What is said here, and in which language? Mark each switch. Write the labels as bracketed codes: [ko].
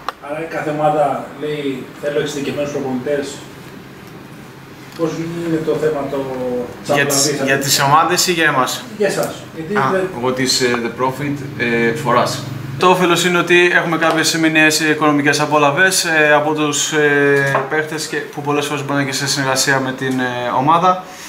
[el] Άρα κάθε ομάδα λέει θέλω εξειδικευμένους προπονητές. Πώς γίνεται το θέμα το τσαπλαβή? Για τις ομάδες ή για εμάς? Για εσάς. [en] What is the profit for us? [el] Το όφελος είναι ότι έχουμε κάποιες μηνιαίες οικονομικές απολαβές από τους παίχτες που πολλές φορές μπαίνουν και σε συνεργασία με την ομάδα.